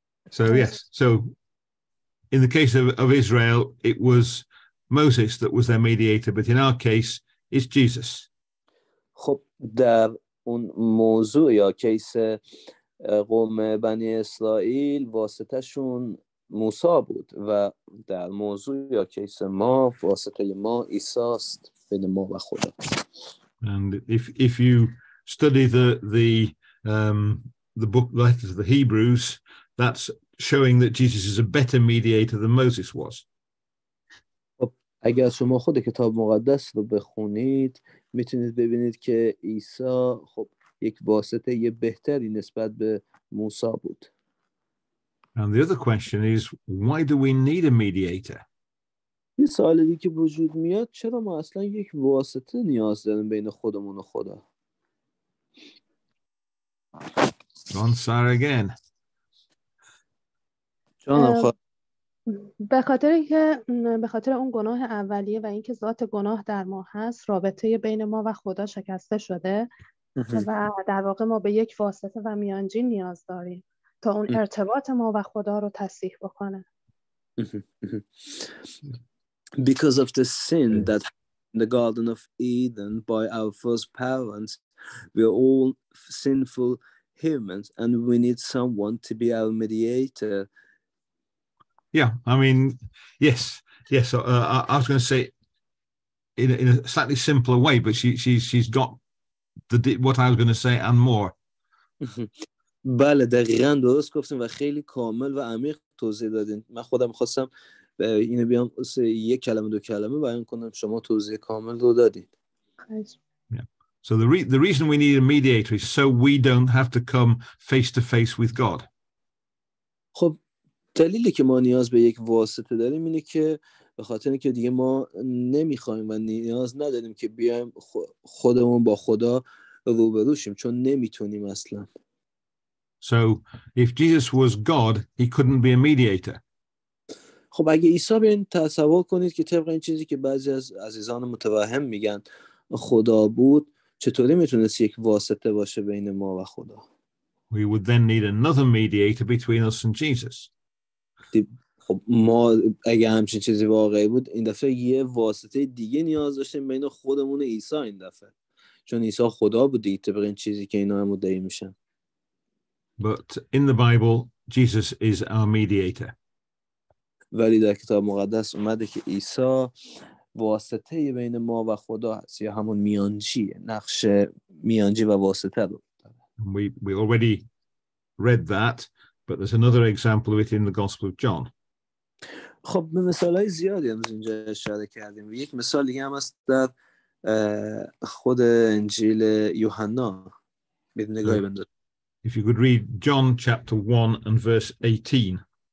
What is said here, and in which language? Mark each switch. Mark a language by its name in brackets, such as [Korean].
[English] So yes, so in the case of Israel, it was Moses that was their mediator, but in our case, it's Jesus. [Persian] خب در اون موضوع یا کیس قوم بنی اسرائیل واسطه‌شون موسی بود و در موضوع یا کیس ما واسطه ما عیسی است بین ما و خدا. [English] And if you study the book letters of the Hebrews, that's showing that Jesus is a better mediator than Moses was. [Persian] اگر شما خود کتاب مقدس رو بخونید میتونید ببینید که عیسی خب یک واسطه یه بهتری نسبت به موسی بود. [English] And the other question is, why do we need a mediator? [Persian] یه سوال دیگه که وجود میاد، چرا ما اصلا یک واسطه نیاز داریم بین خودمون و خدا؟ [English] John, Sarah again. [Persian] به خاطر اون گناه اولیه و اینکه ذات گناه در ما هست، رابطه بین ما و خدا شکسته شده و در واقع ما به یک واسطه و میانجی نیاز داریم تا اون ارتباط ما و خدا رو تصحیح بکنه. [English] Because of the sin that happened in the Garden of Eden by our first parents, we are all sinful humans and we need someone to be our mediator. Yeah, I mean, yes. I was going to say in a slightly simpler way, but she's got what I was going to say and more. [Persian] بله دقیقاً درست گفتین و خیلی کامل و عمیق توضیح دادین. من خودم خواستم اینو بیام یه کلمه دو کلمه بیان کنم، شما توضیح کامل رو دادید. [English] So the reason we need a mediator is so we don't have to come face to face with God. [Persian] خب دلیلی که ما نیاز به یک واسطه داریم اینه که به خاطر اینکه دیگه ما نمیخوایم و نیاز نداریم که بیایم خودمون با خدا روبرو شیم، چون نمیتونیم اصلا. [English] So if Jesus was God, he couldn't be a mediator. [Persian] خب اگه عیسی بیان تصور کنید که طبق این چیزی که بعضی از عزیزان متوهم میگن خدا بود چطوری میتونست یک واسطه باشه بین ما و خدا؟ [English] We would then need another mediator between us and Jesus. [Persian] خب ما اگه همچین چیزی واقعی بود این دفعه یه واسطه دیگه نیاز داشتیم بین خودمون عیسی این دفعه. چون عیسی خدا بود دیگه طبق این چیزی که اینا هم مدعی میشن. [English] But in the Bible, Jesus is our mediator. [Persian] ولی در کتاب مقدس اومده که عیسی واسطه بین ما و خدا هست یا همون میانجی نقش میانجی و واسطه رو [English] we already read that but there's another example of it in the gospel of John [Persian] خب به مثالای زیادی هم اینجا اشاره کردیم یک مثال دیگه هم هست در خود انجیل یوحنا بیدیم نگاهی بندازیم [English] if you could read John chapter 1 and verse 18